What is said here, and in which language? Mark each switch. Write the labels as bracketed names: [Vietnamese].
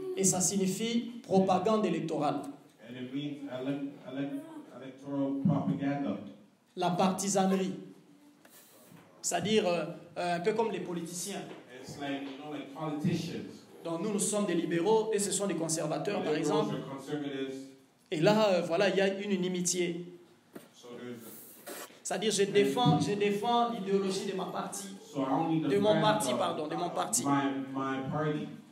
[French] Et ça signifie propagande électorale. [English] And it means electoral propaganda. [French] La partisanerie. C'est-à-dire un peu comme les politiciens. [English] It's like, you know, like politicians. [French] Donc nous sommes des libéraux et ce sont des conservateurs, [English] the liberals, [French] par exemple. Et là, voilà, il y a une inimitié. C'est-à-dire, je défends l'idéologie de ma partie. De mon parti. [English] My party.